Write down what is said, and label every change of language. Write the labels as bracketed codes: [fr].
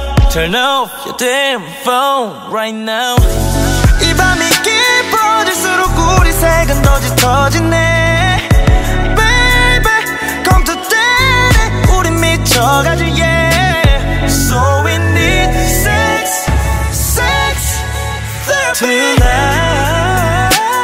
[en] Turn off your damn phone right now. [ko] 이 밤이 깊어질수록 우리 색은 더 짙어지네. [en] Baby, come to daddy. [ko] 우리 미쳐가지, yeah. [en] So we need sex, sex therapy tonight.